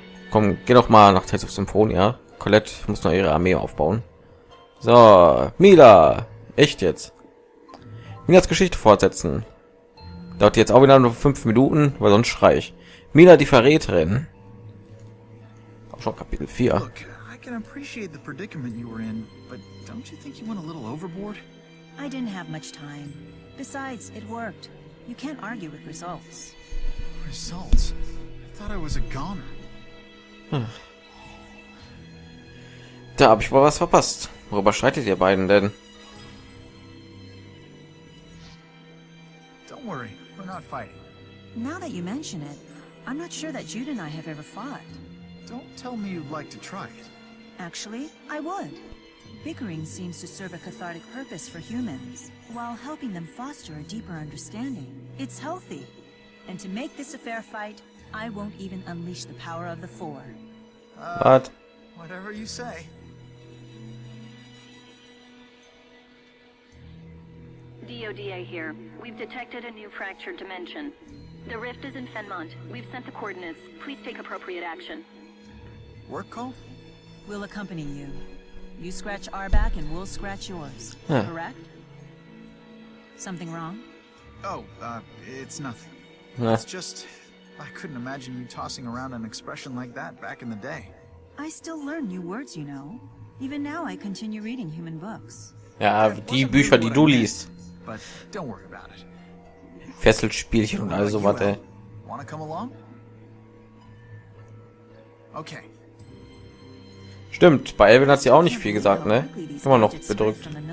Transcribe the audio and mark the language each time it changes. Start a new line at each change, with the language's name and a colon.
German: Komm, geh doch mal nach Tales of Symphonia. Colette muss noch ihre Armee aufbauen. So, Mila, echt jetzt. Milas Geschichte fortsetzen. Dauert jetzt auch wieder nur 5 Minuten, weil sonst schrei ich. Mila, die Verräterin. Auch schon Kapitel 4.
English: Look, I can appreciate the predicament you were in, but don't you think you went a little overboard? I didn't have much time. Besides, it worked. You can't argue with results. Results? I thought I was a goner.
German: Da habe ich wohl was verpasst. Worüber streitet ihr beiden denn?
English: Don't worry, we're not fighting. Now that you mention it, I'm not sure that Jude and I have ever fought. Don't tell me you'd like to try it. Actually, I would. Bickering seems to serve a cathartic purpose for humans, while helping them foster a deeper understanding. It's healthy. And to make this a fair fight, I won't even unleash the power of the Four. What? Whatever you say. DODA here. We've detected a new fractured dimension. The rift is in Fenmont. We've sent the coordinates. Please take appropriate action. Work call? We'll accompany you. You scratch our back and we'll scratch yours. Huh. Correct? Something wrong? It's nothing. Nah. It's just, I couldn't imagine you tossing around an expression like that back in the day. I still learn new words, you know. Even now I continue reading human books.
German: Ja, die Bücher, die du liest.
English: But don't worry about it.
German: Fesselspielchen und all so was, ey.
English: Wanna come along? Okay.
German: Stimmt, bei Elvin hat sie auch nicht viel gesagt, ne? Immer noch bedrückt.